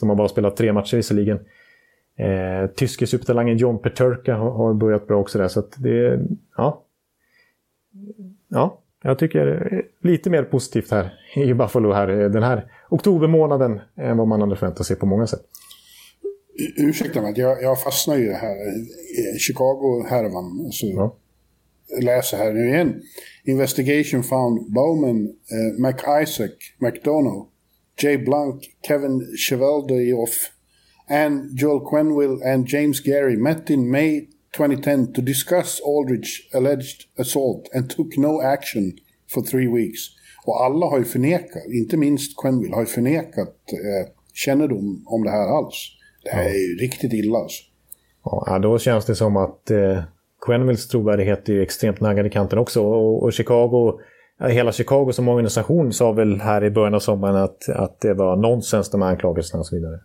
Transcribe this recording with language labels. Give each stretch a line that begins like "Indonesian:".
Swedish: De har bara spelat 3 matcher visserligen. Tyske supertalangen John Peterka har börjat bra också där, så att det är, ja, jag tycker det är lite mer positivt här i Buffalo här den här oktobermånaden än vad man hade förväntat sig på många sätt. Ursäkta mig, jag fastnar ju här i Chicago härvan, så ja. Läser här nu igen:
English: Investigation found Bowman, McIsaac, McDonough, Jay Blank, Kevin Cheveldayoff and Joel Quenneville and James Gary met in May 2010 to discuss Aldridge's alleged assault and took no action for 3 weeks.
Swedish: Och alla har ju förnekat, inte minst Quenneville, har ju förnekat kännedom om det här alls. Det här är ju riktigt illa. Ja, då känns det som att Quennevilles trovärdighet är extremt naggad i kanten också. Och Chicago, hela Chicago som organisation sa väl här i början av sommaren att det var nonsens, de här anklagelserna och så vidare.